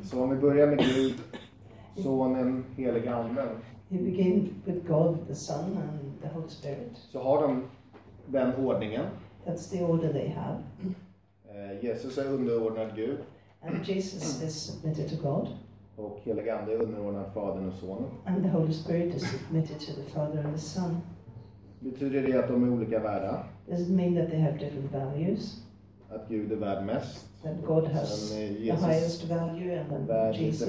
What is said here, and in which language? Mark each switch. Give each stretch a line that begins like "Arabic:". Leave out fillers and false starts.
Swedish: Så om vi börjar med Gud, Sonen, Helige Anden.
English: You begin with God, the Son and the Holy Spirit.
Swedish: Så har de den ordningen.
English: That's the order they have.
Swedish: Jesus är underordnad Gud.
English: And Jesus is submitted to God.
Swedish: Och Helige Ande är underordnad Fadern och Sonen.
English: And the Holy Spirit is submitted to the Father and the Son.
Swedish: Betyder det att de är olika värda?
English: Does it mean that they have different values?
Swedish: Att Gud är värd mest.
English: That God has the highest value and then värd Jesus